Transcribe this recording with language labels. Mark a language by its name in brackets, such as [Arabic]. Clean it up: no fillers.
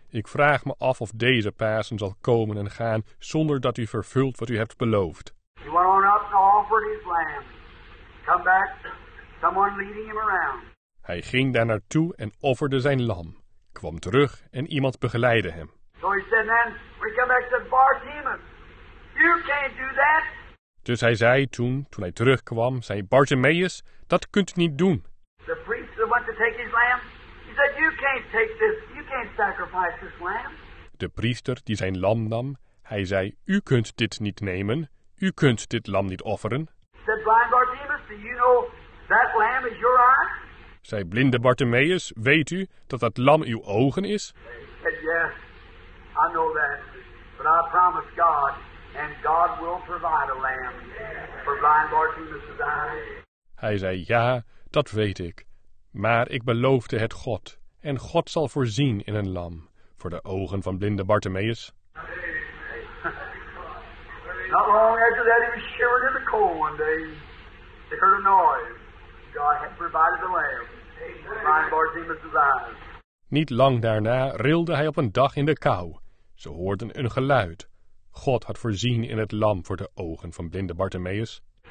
[Dutch] Ik vraag me af of deze Pasen zal komen en gaan zonder dat u vervult wat u hebt beloofd. [English] He went on up to offer his lamb. Come back, someone leading him around. [Dutch] Hij ging daar naartoe en offerde zijn lam. Kwam terug en iemand begeleidde hem. [English] So he said, man, we come back to Bartimaeus. You can't do that. [Dutch] Dus hij zei toen hij terugkwam, zei Bartimaeus, dat kunt u niet doen. [English] The priest that went to take his lamb, he said, you can't take this, you can't sacrifice this lamb. [Dutch] De priester die zijn lam nam, hij zei, u kunt dit niet nemen, u kunt dit lam niet offeren. [English] Said blind Bartimaeus, do you know that lamb is your eye? [Dutch] Zei blinde Bartimaeus, weet u dat dat lam uw ogen is? [English] He said, yes, I know that, but I promise God, and God will provide a lamb for blind Bartimaeus' eyes. [Dutch] Hij zei, ja, dat weet ik, maar ik beloofde het God, en God zal voorzien in een lam, voor de ogen van blinde Bartimaeus. [English] Not long after that, he was shivering in the cold one day. They heard a noise. God had provided the lamb. Blind Bartimaeus' eyes. [Dutch] Niet lang daarna rilde hij op een dag in de kou. Ze hoorden een geluid. God had voorzien in het lam voor de ogen van blinde Bartimaeus.